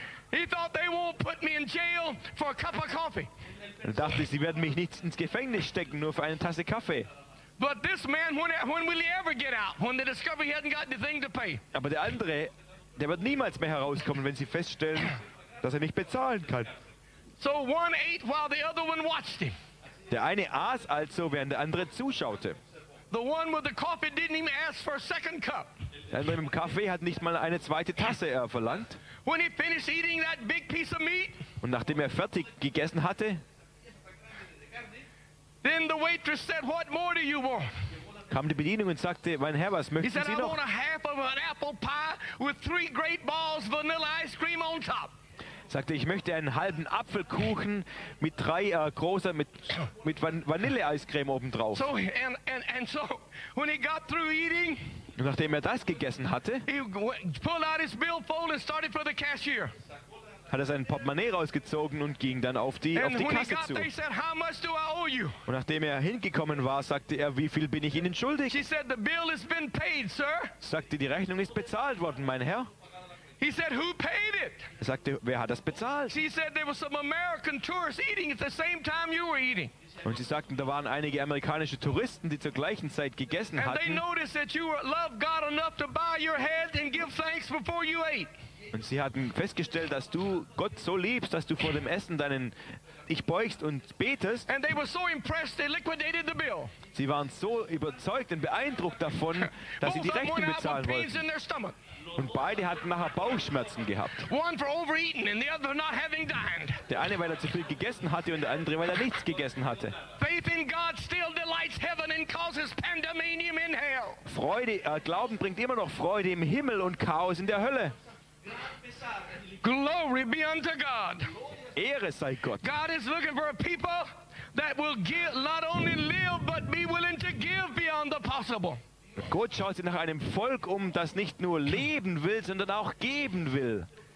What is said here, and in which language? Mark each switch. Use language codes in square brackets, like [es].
[en] He thought they won't put me in jail for a cup of coffee. [de] Er dachte, sie werden mich nicht ins Gefängnis stecken, nur für eine Tasse Kaffee. [en] But this man, when will he ever get out? When they discover he hasn't got the thing to pay. [de] Aber der andere, der wird niemals mehr herauskommen, wenn sie feststellen, dass er nicht bezahlen kann. [en] So one ate while the other one watched him. [de] Der eine aß also, während der andere zuschaute. [en] The one with the coffee didn't even ask for a second cup. [de] Der andere mit dem Kaffee hat nicht mal eine zweite Tasse verlangt. [en] When he finished eating that big piece of meat, [de] und nachdem er fertig gegessen hatte, [en] then the waitress said, "What more do you want?" [de] Kam die Bedienung und sagte, mein Herr, was möchten [en] he said, [de] Sie noch? [en] "I want a half of an apple pie with three great balls of vanilla ice cream on top." [de] Sagte, ich möchte einen halben Apfelkuchen mit drei mit Vanilleeiscreme obendrauf. [en] So, and so, when he got through eating, [de] und nachdem er das gegessen hatte, [en] he pulled out his billfold and started for the cashier. [de] Hat er sein Portemonnaie rausgezogen und ging dann auf die Kasse zu. [en] There, said, "How much do I owe you?" [de] Und nachdem er hingekommen war, sagte er, wie viel bin ich Ihnen schuldig? [en] She said, "The bill has been paid, sir." [de] Sagte, die Rechnung ist bezahlt worden, mein Herr. [en] He said, "Who paid it?" [de] Er sagte, wer hat das bezahlt? [en] She said, "There was some American tourists eating at the same time you were eating." [de] Und sie sagten, da waren einige amerikanische Touristen, die zur gleichen Zeit gegessen [en] and [de] hatten. [en] And they noticed that you loved God enough to bow your head and give thanks before you ate. [de] Und sie hatten festgestellt, dass du Gott so liebst, dass du vor dem Essen deinen dich beugst und betest. [en] And they were so impressed, they liquidated the bill. [de] Sie waren so überzeugt und beeindruckt davon, dass sie die Rechnung bezahlen wollten. Und beide hatten nachher Bauchschmerzen gehabt. [en] One for overeating and the other for not having dined. [de] Der eine, weil er zu viel gegessen hatte, und der andere, weil er nichts gegessen hatte. [en] Faith in God still delights heaven and causes pandemonium in hell. [de] Glauben bringt immer noch Freude im Himmel und Chaos in der Hölle. [en] Glory be unto God. [de] Ehre sei Gott. [en] God is looking for a people that will give, not only live, but be willing to give beyond the possible. [de] Gott schaut sich nach einem Volk um, das nicht nur leben will, sondern auch geben will.